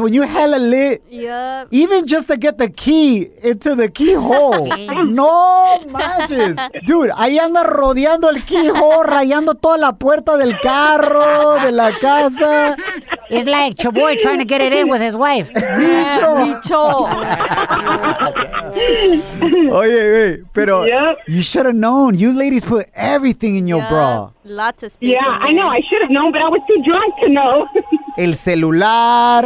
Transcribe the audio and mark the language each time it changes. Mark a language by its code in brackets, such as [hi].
[en] When you hella lit, even just to get the key into the keyhole. [es] No manches. Dude, ahí anda rodeando el keyhole, rayando toda la puerta del carro, de la casa. [en] It's like Chaboy trying to get it in with his wife. [es] Bicho. Oye, wey, pero [en] you should have known. You ladies put everything in your bra. Lots of space. Yeah, I know. I should have known, but I was too drunk to know. [es] El celular.